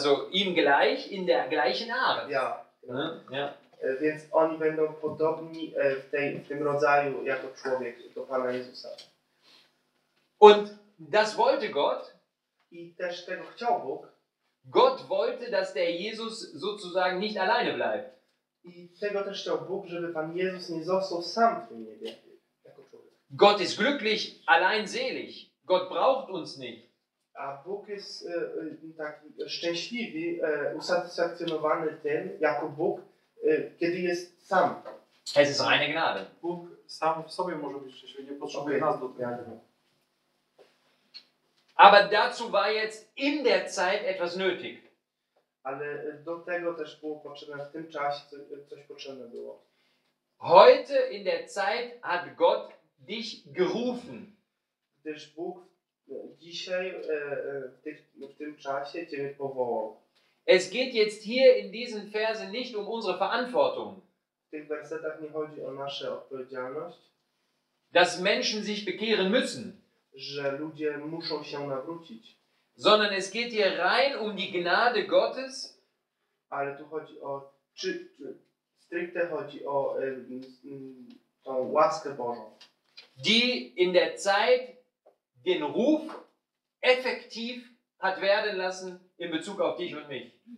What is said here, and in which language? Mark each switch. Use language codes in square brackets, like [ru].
[de] ihm gleich in der gleichen Art. Ja. Ja. [pl] Więc oni będą podobni w tym rodzaju jako człowiek do Pana Jezusa. [de] Und das wollte Gott. [pl] I też tego chciał Bóg. [de] Gott wollte, dass der Jesus sozusagen nicht alleine bleibt. [pl] I tego też chciał Bóg, żeby Pan Jezus nie został sam w tym niebie jako człowiek. [de] Gott ist glücklich, allein selig. Gott braucht uns nicht. [pl] A Bóg jest tak szczęśliwy, usatysfakcjonowany tym, jako Bóg, kiedy jest sam. [de] Es ist reine Gnade. [pl] Bóg sam w sobie może być szczęśliwy, nie potrzebuje nas do tego. [de] Aber dazu war jetzt in der Zeit etwas nötig. [pl] Ale do tego też było potrzebne, w tym czasie coś potrzebne było. [de] Heute in der Zeit hat Gott dich gerufen. [pl] Gdyż Bóg dzisiaj w tym czasie ciebie powołał. [de] Es geht jetzt hier in diesen Versen nicht um unsere Verantwortung. [pl] W tych wersetach nie chodzi o nasze odpowiedzialność. [de] Dass Menschen sich bekehren müssen. [pl] Że ludzie muszą się nawrócić. [de] Sondern es geht hier rein um die Gnade Gottes. [pl] Ale tu chodzi o, stricte chodzi o tą łaskę Bożą. [de] Die in der Zeit den Ruf effektiv hat werden lassen in Bezug auf dich und mich.